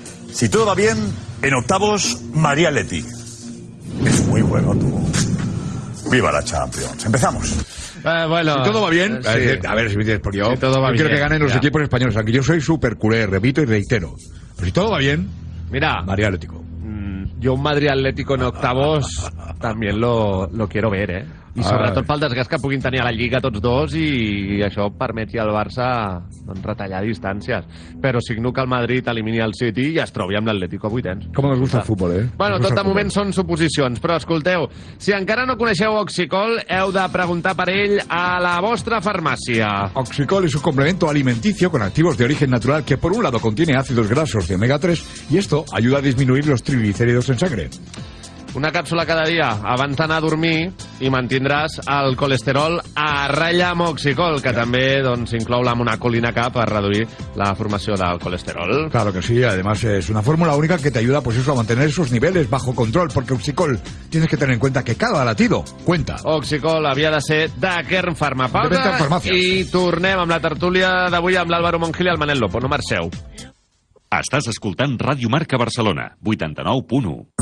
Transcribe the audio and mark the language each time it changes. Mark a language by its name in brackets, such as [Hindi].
[Spanish] Si todo va bien, en 8avos, María Leti. Es muy bueno tú. Viva la Champions. Empezamos. Bueno, si todo va bien, sí. A ver, porque yo quiero que ganen los equipos españoles, aunque yo soy súper culé, repito y reitero. Pero si todo va bien, mira, Madrid Atlético. Yo un Madrid Atlético en octavos también lo quiero ver, ¿eh? [Catalan] Y sobre todo el desgast que puguin tenir a la Lliga tots dos i això permeti al Barça doncs, retallar distàncies. Però signo que el Madrid elimini el City i es trobi amb l'Atlético a 8 anys. Com ens gusta el futbol, eh? Bueno, tot de moment són suposicions, però escolteu, si encara no coneixeu Oxicol, heu de preguntar per ell a la vostra farmàcia. [Spanish] Oxicol es un complemento alimenticio con activos de origen natural que por un lado contiene ácidos grasos de omega 3 y esto ayuda a disminuir los triglicéridos en sangre. [Catalan] Una càpsula cada dia abans d'anar a dormir i mantindràs el colesterol a ratlla amb Oxicol, que també doncs, inclou la monacolina K per reduir la formació del colesterol. [Spanish] Claro que sí, además es una fórmula única que te ayuda pues eso, a mantener esos niveles bajo control, porque Oxicol tienes que tener en cuenta que cada latido cuenta. [Catalan] Oxicol havia de ser de Kern Pharma. Pausa i tornem amb la tertúlia d'avui amb l'Álvaro Monjil i el Manel Lopo. No marxeu. Estàs escoltant Ràdio Marca Barcelona, 89.1.